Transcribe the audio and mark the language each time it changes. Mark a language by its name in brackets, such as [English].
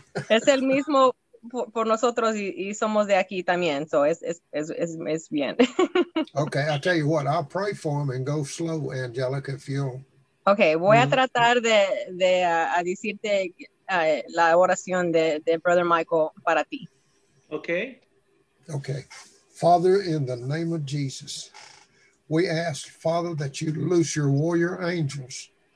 [Spanish] Es el mismo por nosotros y somos de aquí también, [English] so [Spanish] es bien. [English] Okay, I'll tell you what. I'll pray for him and go slow, Angelica, if you'll. [Spanish] Okay, voy a tratar de decirte la oración de Brother Michael para ti. [English] Okay. Okay. Father, in the name of Jesus, we ask, Father, that you loose your warrior angels.